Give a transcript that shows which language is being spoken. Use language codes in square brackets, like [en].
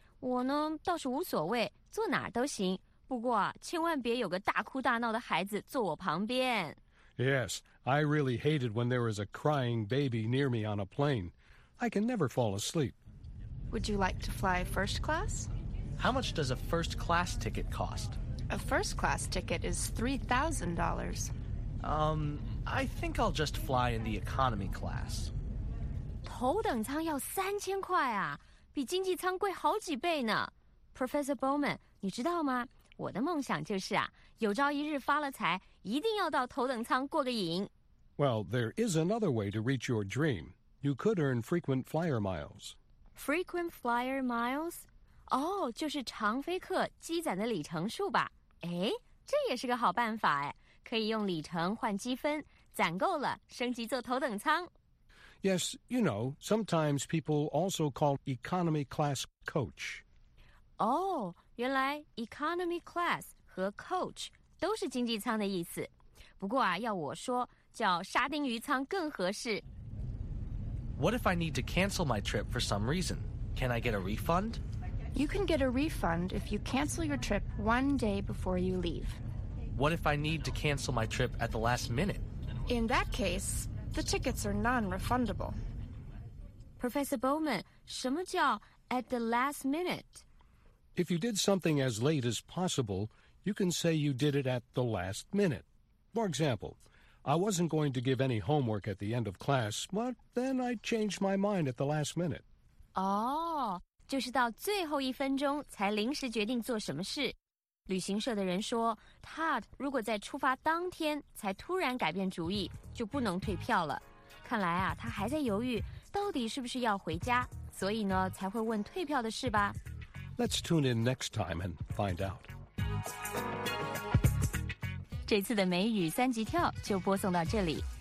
[zh] 我呢倒是无所谓，坐哪儿都行。不过啊，千万别有个大哭大闹的孩子坐我旁边。 [en] Yes, I really hated when there was a crying baby near me on a plane. I can never fall asleep. Would you like to fly first class? How much does a first class ticket cost? A first-class ticket is $3,000. I think I'll just fly in the economy class. [zh] 头等舱要3000块啊，比经济舱贵好几倍呢。 Professor Bowman, 你知道吗？我的梦想就是啊，有朝一日发了财，一定要到头等舱过个瘾。 [en] Well, there is another way to reach your dream. You could earn frequent flyer miles. Frequent flyer miles? [zh] 哦、oh, ，就是常飞客积攒的里程数吧？哎，这也是个好办法哎，可以用里程换积分，攒够了升级坐头等舱。 [en] Yes, you know, sometimes people also call economy class coach. [zh] 哦、oh, ，原来 economy class 和 coach 都是经济舱的意思。不过啊，要我说，叫沙丁鱼舱更合适。 [en] What if I need to cancel my trip for some reason? Can I get a refund? You can get a refund if you cancel your trip one day before you leave. What if I need to cancel my trip at the last minute? In that case, the tickets are non-refundable. [zh] Professor Bowman, 什么叫 [en] at the last minute? If you did something as late as possible, you can say you did it at the last minute. For example, I wasn't going to give any homework at the end of class, but then I changed my mind at the last minute. Oh... [zh] 就是到最后一分钟才临时决定做什么事。旅行社的人说 ，Todd 如果在出发当天才突然改变主意，就不能退票了。看来啊，他还在犹豫到底是不是要回家，所以呢才会问退票的事吧。 [en] Let's tune in next time and find out. [zh] 这次的美语三级跳就播送到这里。